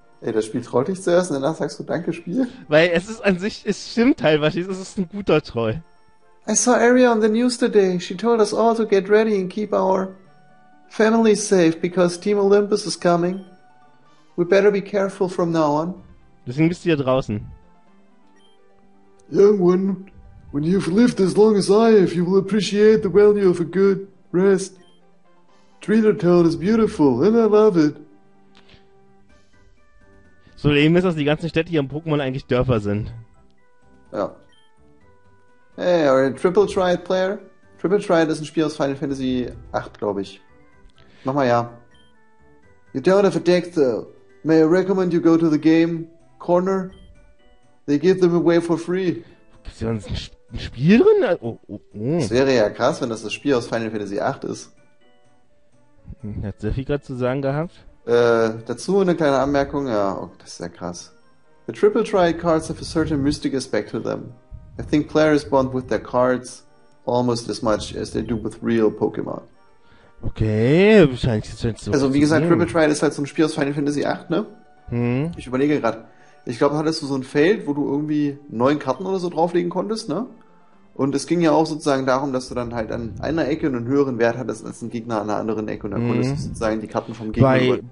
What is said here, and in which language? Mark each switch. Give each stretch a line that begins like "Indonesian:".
German: Ey, das Spiel trollt dich zuerst und danach sagst du Danke, Spiel? Weil es ist an sich, es stimmt teilweise, es ist ein guter Troll.
English: I saw Arya on the news today. She told us all to get ready and keep our family safe because Team Olympus is coming. We better be careful from now on.
German: Deswegen bist du hier draußen.
English: Young one, when you've lived as long as I have, you will appreciate the value of a good rest. Treater Town is beautiful and I love it.
German: So eben ist, dass die ganzen Städte hier im Pokémon eigentlich Dörfer sind.
English: Ja. Hey, are you a Triple Triad player?
German: Triple Triad ist ein Spiel aus Final Fantasy 8, glaube ich. Mach mal ja.
English: You don't have a deck though. May I recommend you go to the game corner? They give them away for free.
German: Gibt's hier sonst ein Spiel drin? Oh. Das wäre ja krass, wenn das das Spiel aus Final Fantasy 8 ist. Hat sehr viel gerade zu sagen gehabt. Dazu eine kleine Anmerkung, ja, oh, das ist ja krass.
English: The Triple Triad cards have a certain mystic aspect to them. I think players bond with their cards almost as much as they do with real Pokémon.
German: Okay, wahrscheinlich ist es so. Also wie gesagt, Triple Triad ist halt so ein Spiel aus Final Fantasy 8, ne? Hm. Ich überlege gerade. Ich glaube, hattest du so ein Feld, wo du irgendwie 9 Karten oder so drauflegen konntest, ne? Und es ging ja auch sozusagen darum, dass du dann halt an einer Ecke einen höheren Wert hattest als ein Gegner an einer anderen Ecke und dann konntest du sozusagen die Karten vom Gegner...